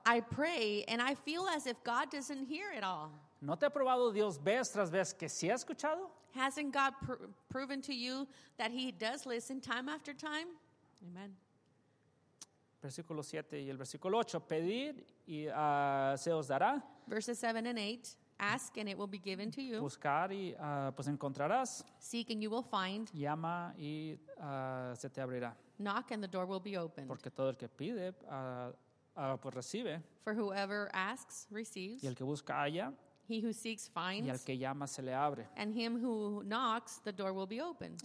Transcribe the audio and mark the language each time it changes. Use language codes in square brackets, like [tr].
[en] I pray and I feel as if God doesn't hear it all. [es] ¿No te ha probado Dios vez tras vez que sí ha escuchado? [en] Hasn't God proven to you that he does listen time after time? Amen. [es] Versículo 7 y el versículo 8. Pedid y se os dará. [en] Verses 7 and 8. Ask and it will be given to you. [es] Buscar y pues encontrarás. [en] Seek and you will find. [es] Llama y se te abrirá. [en] Knock and the door will be opened. [es] Porque todo el que pide, pues recibe. [en] For whoever asks, receives. [es] Y el que busca, halla. [en] He who seeks, finds. [es] Y al que llama, se le abre. [en] And him who knocks, the door will be opened.